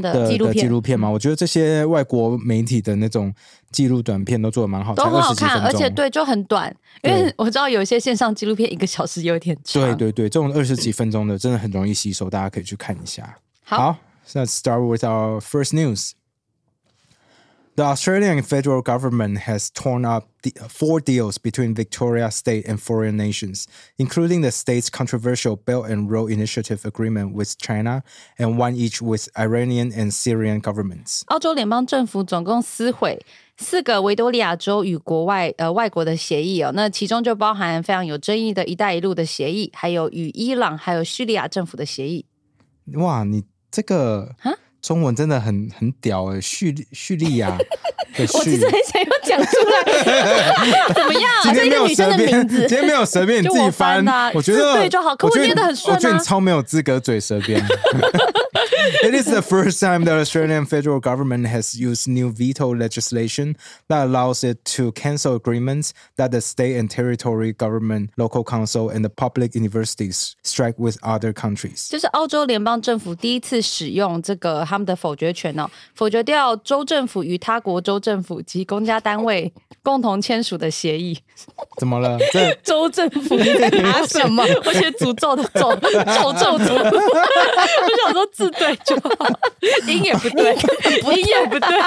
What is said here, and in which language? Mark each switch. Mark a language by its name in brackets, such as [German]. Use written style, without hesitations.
[Chinese] 的纪录片，纪录片嘛，我觉得这些外国媒体的那种纪录短片都做得蛮好，都很好看，而且对，就很短，因为我知道有一些线上纪录片一个小时有点长，对对对，这种20几分钟的真的很容易吸收，大家可以去看一下。好 [English] ，Let's start with our first news。 The Australian federal government has torn up four deals between Victoria State and foreign nations, including the state's controversial Belt and Road Initiative agreement with China and one each with Iranian and Syrian governments. [Chinese] 澳洲联邦政府总共撕毁四个维多利亚州与国外外国的协议，哦，那其中就包含非常有争议的一带一路的协议，还有与伊朗还有叙利亚政府的协议。哇，你这个中文真的很屌耶，欸，叙利亚的叙，我其实很想要讲出来。怎么样，今天没有舌边，今天没有舌边，你自己翻啊，我觉得对就好，可我念得很顺啊，我觉得你超没有资格嘴舌边。 [English] It is the first time the Australian federal government has used new veto legislation that allows it to cancel agreements that the state and territory government, local council, and the public universities strike with other countries. [Chinese] 就是澳洲联邦政府第一次使用这个他们的否决权，哦，否决掉州政府与他国州政府及公家单位共同签署的协议。怎么了？这州政府拿什么？我写诅咒的咒，咒咒咒。我想说字对。音也不对，音也不对。